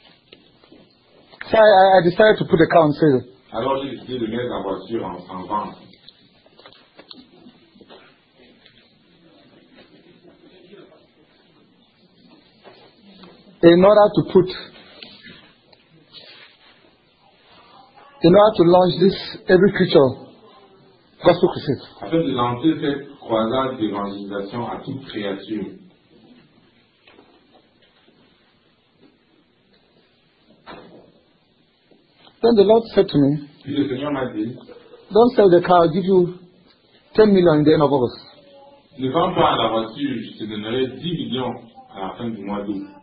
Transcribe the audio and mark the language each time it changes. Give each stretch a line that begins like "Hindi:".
English: So I decided to put the car on sale.
French: Alors j'ai décidé de mettre la voiture en vente.
English: In order to launch this every creature gospel crusade.
French: Afin de lancer cette croisade d'évangélisation à toute créature.
English: Then the Lord said to me, don't sell the car, I'll give you 10 million in the end of August.
French: Ne vends pas la voiture, je te donnerai 10 millions à la fin du mois d'août.